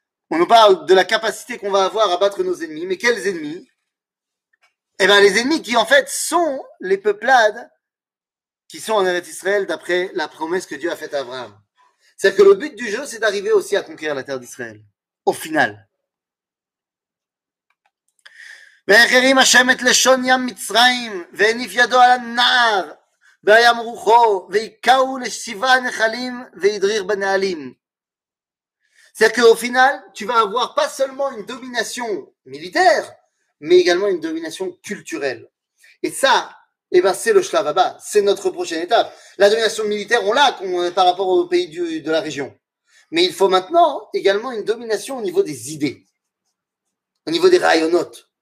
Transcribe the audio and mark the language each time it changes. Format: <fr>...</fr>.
<fr>On nous parle de la capacité qu'on va avoir à battre nos ennemis, mais quels ennemis? Eh bien, les ennemis qui, en fait, sont les peuplades qui sont en Eretz Israël d'après la promesse que Dieu a faite à Abraham. C'est-à-dire que le but du jeu, c'est d'arriver aussi à conquérir la terre d'Israël, au final.</fr> <he>ואחרים השם את לשון ים מצרים, והניף ידו על הנער, והים רוחו, והיכהו לשבעה נחלים, והדריך בנהלים.</he> <fr>C'est-à-dire qu'au final, tu vas avoir pas seulement une domination militaire, mais également une domination culturelle. Et ça, eh ben, c'est le shlav haba, c'est notre prochaine étape. La domination militaire, on l'a par rapport aux pays de la région. Mais il faut maintenant également une domination au niveau des idées, au niveau des rayonot.</fr>